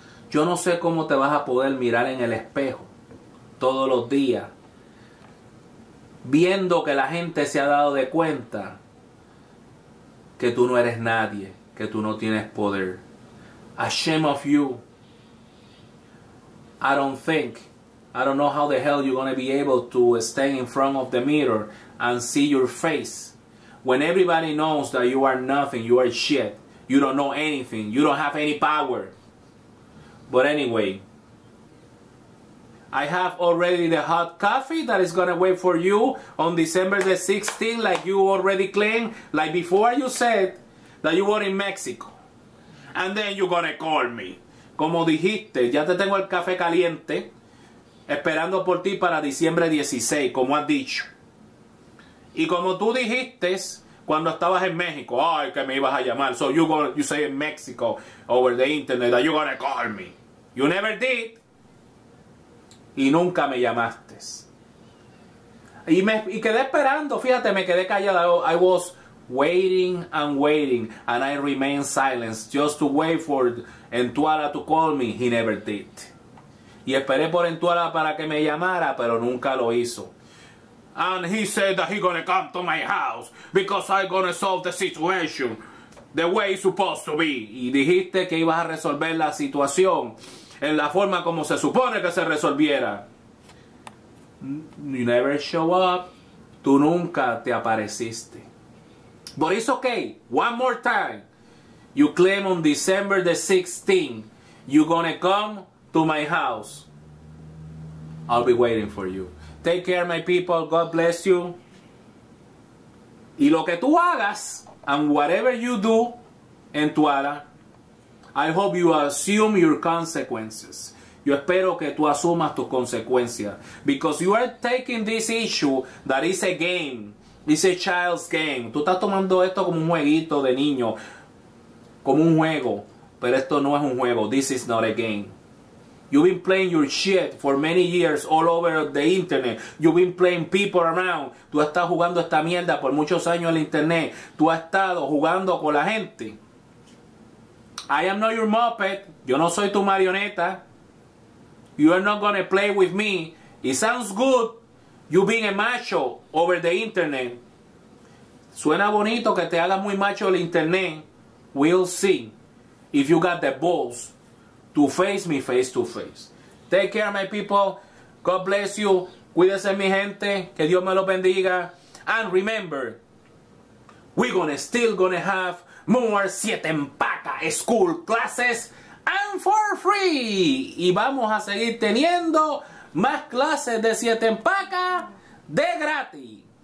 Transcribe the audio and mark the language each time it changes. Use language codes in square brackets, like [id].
[es] Yo no sé cómo te vas a poder mirar en el espejo todos los días, viendo que la gente se ha dado de cuenta que tú no eres nadie, que tú no tienes poder. [en] Ashamed of you. I don't know how the hell you're gonna be able to stand in front of the mirror and see your face when everybody knows that you are nothing, you are shit, you don't know anything, you don't have any power. But anyway, I have already the hot coffee that is gonna wait for you on December the 16th, like you already claimed, like before you said that you were in Mexico. And then you're gonna call me. [es] Como dijiste, ya te tengo el café caliente esperando por ti para diciembre 16, como has dicho. Y como tú dijiste cuando estabas en México, ay, que me ibas a llamar. [en] So you say in Mexico over the internet that you're gonna call me. You never did. [es] Y nunca me llamaste. Y quedé esperando, fíjate, me quedé callado. [en] I was waiting and waiting, and I remained silent, just to wait for Entuala to call me. He never did. [es] Y esperé por Entuala para que me llamara, pero nunca lo hizo. [en] And he said that he gonna come to my house because I gonna solve the situation the way it's supposed to be. [es] Y dijiste que ibas a resolver la situación en la forma como se supone que se resolviera. [en] You never show up. [es] Tú nunca te apareciste. [en] But it's okay. One more time. You claim on December the 16th you gonna come to my house. I'll be waiting for you. Take care, my people. God bless you. [es] Y lo que tú hagas, [en] and whatever you do, Entuala, I hope you assume your consequences. [es] Yo espero que tú asumas tus consecuencias. [en] Because you are taking this issue that is a game. It's a child's game. [es] Tú estás tomando esto como un jueguito de niño. Como un juego. Pero esto no es un juego. [en] This is not a game. You've been playing your shit for many years all over the internet. You've been playing people around. [es] Tú estás jugando esta mierda por muchos años en el internet. Tú has estado jugando con la gente. [en] I am not your Muppet. [es] Yo no soy tu marioneta. [en] You are not gonna play with me. It sounds good. You being a macho over the internet. [es] Suena bonito que te hagas muy macho el internet. [en] We'll see if you got the balls to face me face to face. Take care, my people. God bless you. [es] Cuídense, mi gente. Que Dios me los bendiga. [en] And remember, we're gonna still gonna have more 7 Empaca School classes and for free. [es] Y vamos a seguir teniendo más clases de 7 Empaca de gratis.